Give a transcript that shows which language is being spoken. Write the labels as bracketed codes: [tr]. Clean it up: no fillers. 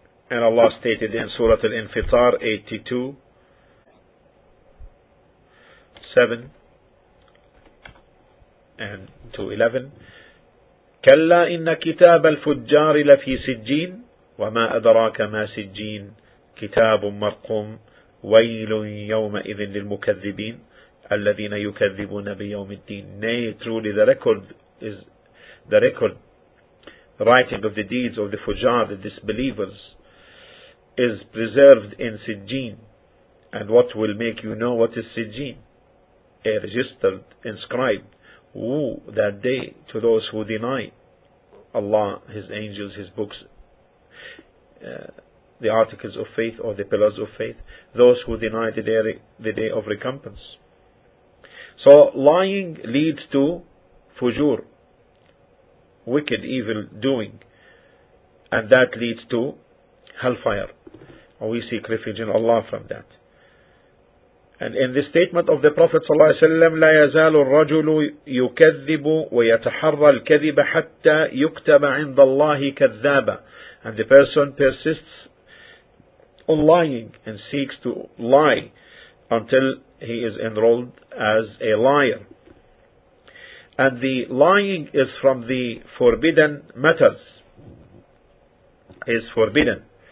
[en] And Allah stated in Surah Al-Infitar 82:7-11, [ar] كلا إن كتاب الفجار لفي سجين وما أدراك ما سجين كتاب مرقوم ويل يومئذ للمكذبين الذين يكذبون بيوم الدين. [en] Nay, truly the record is the record writing of the deeds of the fujar, the disbelievers, is preserved in Sijjin. And what will make you know what is Sijjin? A registered, inscribed, woe that day to those who deny Allah, His angels, His books, the articles of faith or the pillars of faith, those who deny the day of recompense. So lying leads to fujur, wicked, evil doing, and that leads to hellfire. We seek refuge in Allah from that. And in the statement of the Prophet ﷺ, [ar] لا يزال الرجل يكذب ويتحرى الكذب حتى يكتب عند الله كذابا. [en] And the person persists on lying and seeks to lie until he is enrolled as a liar. And the lying is from the forbidden matters. Is forbidden.